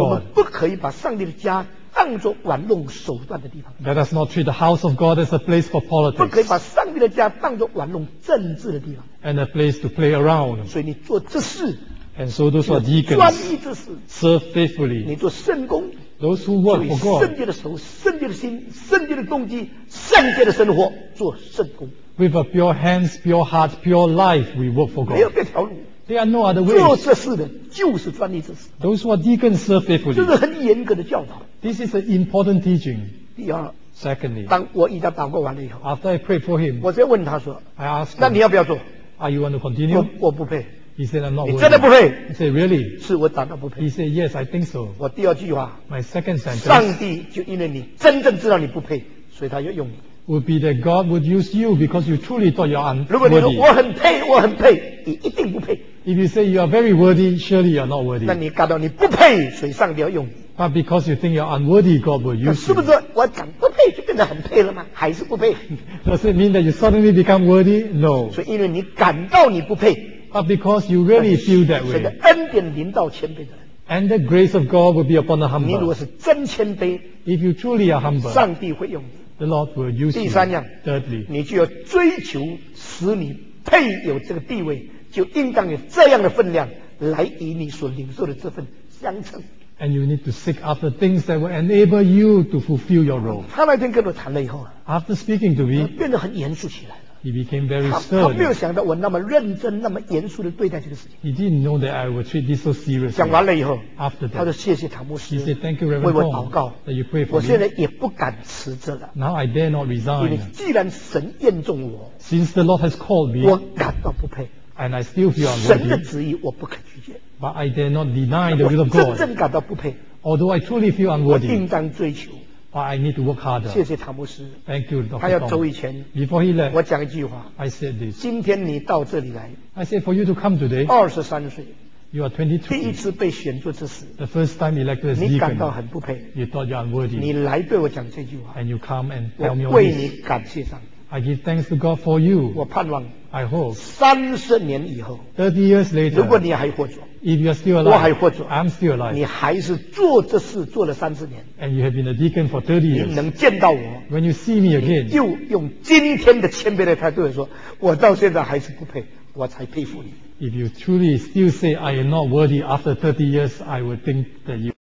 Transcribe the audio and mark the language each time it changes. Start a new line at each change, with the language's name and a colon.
Chinese: 我们不可以把上帝的家当作玩弄手段的地方。
English: Let us not treat the house of God as a place for politics.
Chinese: 不可以把上帝的家当作玩弄政治的地方。
English: And a place to play around.
Chinese: 所以你做这事。
English: And so those who are deacons.
Chinese: 专一这事。
English: Serve faithfully.
Chinese: 你做圣工。
English: Those who work for God.
Chinese: 圣洁的手、圣洁的心、圣洁的动机、圣洁的生活，做圣工。
English: With a pure hands, pure heart, pure life, we work for God.
Chinese: 没有这条路。
English: There are no other ways.
Chinese: 做这事的就是专利之事。
English: Those who are deacons serve faithfully.
Chinese: 这是很严格的教导。
English: This is an important teaching.
Chinese: 第二。
English: Secondly.
Chinese: 当我已经祷告完了以后。
English: After I prayed for him.
Chinese: 我再问他说。
English: I ask.
Chinese: 那你要不要做
English: ？Are you want to continue?
Chinese: 我不配。
English: He said, "I'm not worthy."
Chinese: 你真的不配
English: ？He said, "Really?"
Chinese: 是我祷告不配。
English: He said, "Yes, I think so."
Chinese: 我第二句话。
English: My second sentence.
Chinese: 上帝就因为你真正知道你不配，所以他要用你。
English: Would be that God would use you because you truly thought you're unworthy.
Chinese: 如果你说我很配，我很配，你一定不配。
English: If you say you are very worthy, surely you're not worthy.
Chinese: 那你感到你不配，所以上帝要用你。
English: But because you think you're unworthy, God will use you.
Chinese: 那是不是我讲不配就变得很配了吗？还是不配
English: ？Does it mean that you suddenly become worthy? No.
Chinese: 所以因为你感到你不配。
English: But because you really feel that way.
Chinese: 神的恩典临到谦卑的人。
English: And the grace of God will be upon the humble.
Chinese: 你如果是真谦卑。
English: If you truly are humble.
Chinese: 上帝会用你。
English: The Lord will use you.
Chinese: 第三样。
English: Thirdly.
Chinese: 你就要追求使你配有这个地位，就应当有这样的分量来与你所领受的这份相称。
English: And you need to seek after things that will enable you to fulfill your role.
Chinese: 他那天跟我谈了以后。
English: After speaking to me.
Chinese: 他变得很严肃起来。
English: He became very stern.
Chinese: 他没有想到我那么认真、那么严肃地对待这个事情。
English: He didn't know that I would treat this so seriously.
Chinese: 讲完了以后
English: ，After that，
Chinese: 他说谢谢唐牧师。
English: He said thank you, Reverend.
Chinese: 为我祷告。
English: That you pray for me.
Chinese: 我现在也不敢辞职了。
English: Now I dare not resign.
Chinese: 因为既然神验中我
English: ，Since the Lord has called me，
Chinese: 我感到不配。
English: And I still feel unworthy.
Chinese: 神的旨意我不肯拒绝。
English: But I dare not deny the will of God.
Chinese: 我真正感到不配。
English: Although I truly feel unworthy.
Chinese: 我应当追求。
English: But I need to work harder.
Chinese: 谢谢唐牧师。
English: Thank you, Dr.
Chinese: 他要走以前
English: ，Before he left，
Chinese: 我讲一句话。
English: I said this.
Chinese: 今天你到这里来
English: ，I said for you to come today.
Chinese: 23岁
English: ，You are 23.
Chinese: 第一次被选做执事
English: ，The first time elected as deacon.
Chinese: 你感到很不配
English: ，You thought you're unworthy.
Chinese: 你来对我讲这句话
English: ，And you come and tell me all
Chinese: this. 我为你感谢上帝。
English: I give thanks to God for you.
Chinese: 我盼望
English: ，I hope.
Chinese: 30年以后
English: ，30 years later，
Chinese: 如果你还活着。
English: If you are still alive,
Chinese: 我还活着
English: I'm still alive.
Chinese: 你还是做这事做了30年
English: And you have been a deacon for 30 years
Chinese: 你能见到我
English: When you see me again
Chinese: 又用今天的谦卑的态度说我到现在还是不配我才佩服你
English: If you truly still say I am not worthy after 30 years I would think that you